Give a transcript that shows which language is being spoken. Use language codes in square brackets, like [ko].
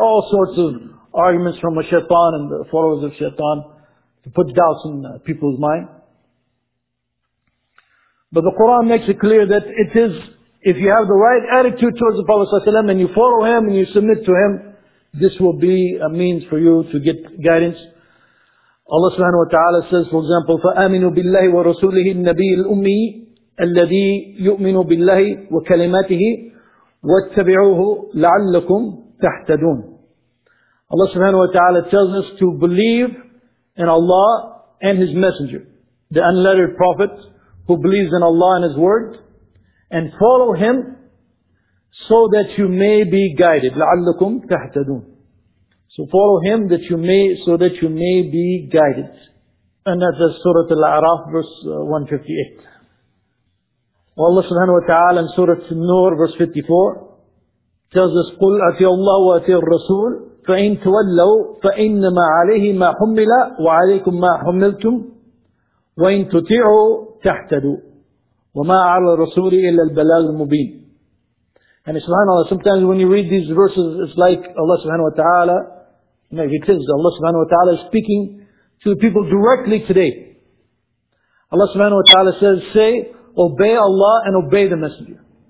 [en] All sorts of arguments from the shaitan and the followers of shaitan to put doubts in people's mind. But the Quran makes it clear that it is, if you have the right attitude towards the Prophet sallallahu alaihi wasallam and you follow him and you submit to him, this will be a means for you to get guidance. Allah subhanahu wa ta'ala says, for example, [ar] فَآمِنُوا بِاللَّهِ وَرَسُولِهِ النَّبِيِّ الْأُمِّيِّ الَّذِي يُؤْمِنُ بِاللَّهِ وَكَلِمَاتِهِ وَاتَّبِعُوهُ لَعَلَّكُمْ تَحْتَدُونَ. [en] Allah subhanahu wa ta'ala tells us to believe in Allah and His Messenger, the unlettered Prophet who believes in Allah and His Word, and follow Him so that you may be guided. [ar] لَعَلَّكُمْ تَحْتَدُونَ. [en] So follow him that you may, so that you may be guided. And that's the Surah Al-A'raf, verse 158. Well, Allah subhanahu wa ta'ala in Surah An-Nur, verse 54, tells us, [ar] قُلْ أَتِيَ اللَّهُ وَأَتِيَ الرَّسُولِ فَإِن تَوَلَّوْا فَإِنَّمَا عَلَيْهِ مَا حُمِّلَ وَعَلَيْكُمْ مَا حُمِّلْتُمْ وَإِن تُطِعُوا تَحْتَدُوا وَمَا عَلَى الرَّسُولِ إِلَّا الْبَلَاغُ الْمُبِينُ. [en] And subhanAllah, sometimes when you read these verses, it's like Allah subhanahu wa ta'ala, maybe it is, Allah subhanahu wa ta'ala is speaking to the people directly today. Allah subhanahu wa ta'ala says, say, obey Allah and obey the Messenger.